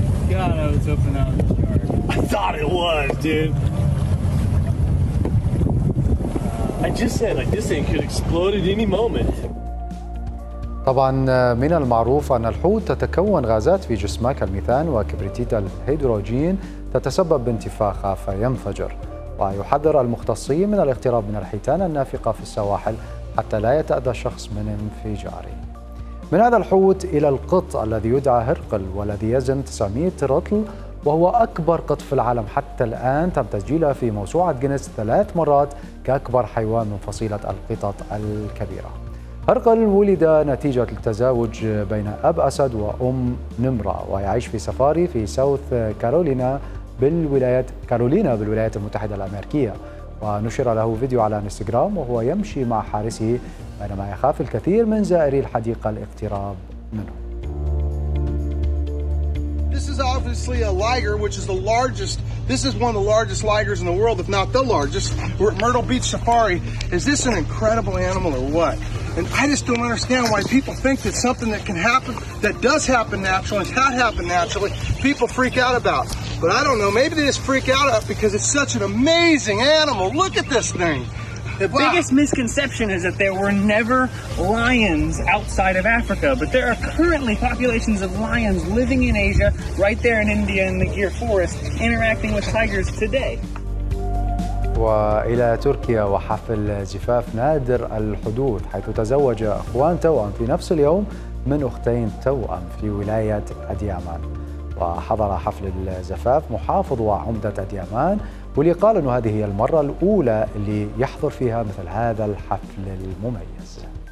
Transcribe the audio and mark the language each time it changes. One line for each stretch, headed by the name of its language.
English: God, I was hoping that was a shark. I thought it was, dude. I just said, like, this thing could explode at any moment.
Arabic: طبعا من المعروف أن الحوت تتكون غازات في جسمها كالميثان وكبريتيت الهيدروجين تتسبب بانتفاخها فينفجر، ويحذر المختصين من الاقتراب من الحيتان النافقة في السواحل حتى لا يتأذى الشخص من انفجاره. من هذا الحوت إلى القط الذي يدعى هرقل والذي يزن 900 رطل وهو أكبر قط في العالم حتى الآن، تم تسجيله في موسوعة جينيس 3 مرات كأكبر حيوان من فصيلة القطط الكبيرة. هرقل ولد نتيجة التزاوج بين أب أسد وأم نمرة، ويعيش في سفاري في ساوث كارولينا بالولايات المتحدة الأمريكية، ونشر له فيديو على إنستغرام وهو يمشي مع حارسه بينما يخاف الكثير من زائري الحديقة الاقتراب منه.
English: This is obviously a liger, which is the largest. This is one of the largest ligers in the world, if not the largest. We're at Myrtle Beach Safari. Is this an incredible animal or what? And I just don't understand why people think that something that can happen, that does happen naturally, and has happened naturally, people freak out about. But I don't know, maybe they just freak out because it's such an amazing animal. Look at this thing. The biggest misconception is that there were never lions outside of Africa, but there are currently populations of lions living in Asia, right there in India in the Gir Forest, interacting with tigers today.
Arabic: وإلى تركيا وحفل زفاف نادر الحدوث، حيث تزوج أخوان توأم في نفس اليوم من أختين توأم في ولاية أديامان. وحضر حفل الزفاف محافظ وعمدة أديامان، واللي قال أنه هذه هي المرة الأولى اللي يحضر فيها مثل هذا الحفل المميز.